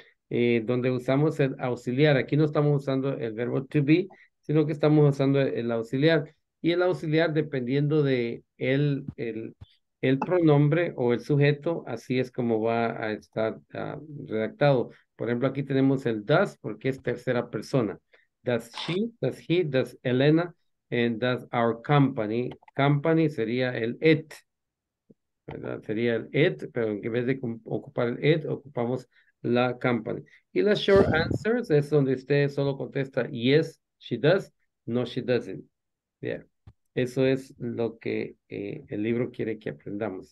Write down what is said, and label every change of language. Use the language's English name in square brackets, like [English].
[Spanish] Donde usamos el auxiliar. Aquí no estamos usando el verbo to be, sino que estamos usando el auxiliar. Y el auxiliar, dependiendo de el pronombre o el sujeto, así es como va a estar redactado. Por ejemplo, aquí tenemos el does, porque es tercera persona. [English] Does she, does he, does Elena, and does our company. [Spanish] Company sería el it, ¿verdad? Sería el it, pero en vez de ocupar el it, ocupamos la company. Y las short answers es donde usted solo contesta [English] yes, she does, no, she doesn't. [Spanish] Yeah. Eso es lo que el libro quiere que aprendamos.